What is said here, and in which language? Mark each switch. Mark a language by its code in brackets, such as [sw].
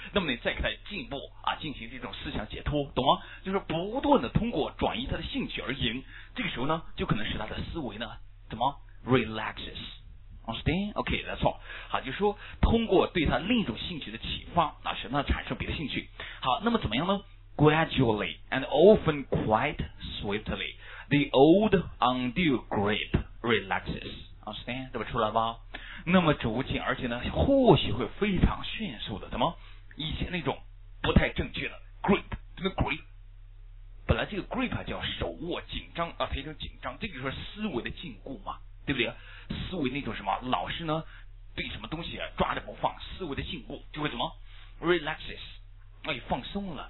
[zh] 那么你再给他进一步啊，进行这种思想解脱，懂吗？就是不断的通过转移他的兴趣而赢。这个时候呢，就可能使他的思维呢怎么 relaxes， understand？ OK， that's all。好，就是说通过对他另一种兴趣的启发啊，使他产生别的兴趣。好，那么怎么样呢？ [en] Gradually and often quite swiftly， the old undue grip relaxes。 [zh] understand 对吧？出来吧。那么逐渐，而且呢，或许会非常迅速的，怎么？以前那种不太正确的 grip， 怎么 grip？本来这个 grip 啊叫手握紧张啊，它一种紧张，这就是思维的禁锢嘛，对不对？思维那种什么，老是呢对什么东西、啊、抓着不放，思维的禁锢就会怎么 relaxes， 哎，放松了。